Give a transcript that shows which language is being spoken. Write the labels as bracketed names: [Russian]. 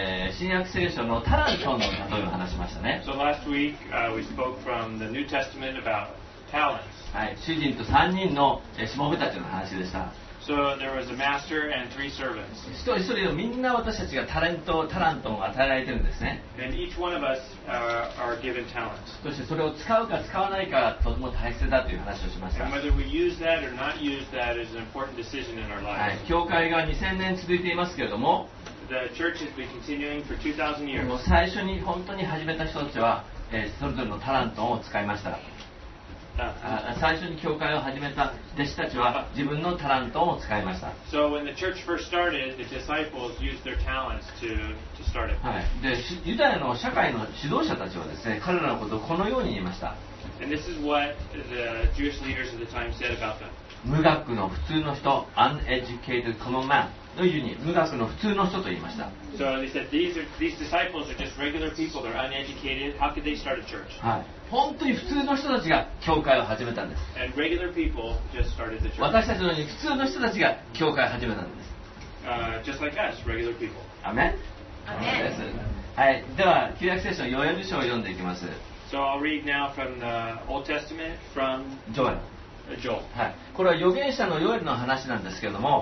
[Japanese] 新約聖書のタラントの例を話しましたね。 [English] So last week, we spoke from the New Testament about talents. [Japanese] はい、主人と3人の、しもべたちの話でした。 [English] So there was a master and three servants. [Japanese] 一人一人のみんな私たちがタラントを与えられてるんですね。 [English] And each one of us are given talents. [Japanese] そしてそれを使うか使わないかとても大切だという話をしました。 [English] And whether we use that or not use that is an important decision in our lives. [Japanese] はい、教会が2000年続いていますけれども、 [English] The church has been continuing for 2000 years. [Japanese] もう最初に本当に始めた人たちは、それぞれのタラントを使いました。最初に教会を始めた弟子たちは自分のタラントを使いました。 [English] So when the church first started, the disciples used their talents to start it. [Japanese] はい。で、ユダヤの社会の指導者たちはですね、彼らのことをこのように言いました。 [English] And this is what the Jewish leaders of the time said about them. [Japanese] 無学の普通の人、 [English] uneducated common man. [Japanese] のように無学の普通の人と言いました。 [English] So they said, these disciples are just regular people. They're uneducated. How could they start a church? [Japanese] はい。本当に普通の人たちが教会を始めたんです。 [English] And regular people just started the church. [Japanese] 私たちのように普通の人たちが教会を始めたんです。 [English] Just like us, regular people. Amen. Amen. [Japanese] はい。では、旧約聖書ヨエル書を読んでいきます。 [English] So I'll read now from the Old Testament from Joel. Joel. [Japanese] はい、これは預言者のヨエルの話なんですけれども、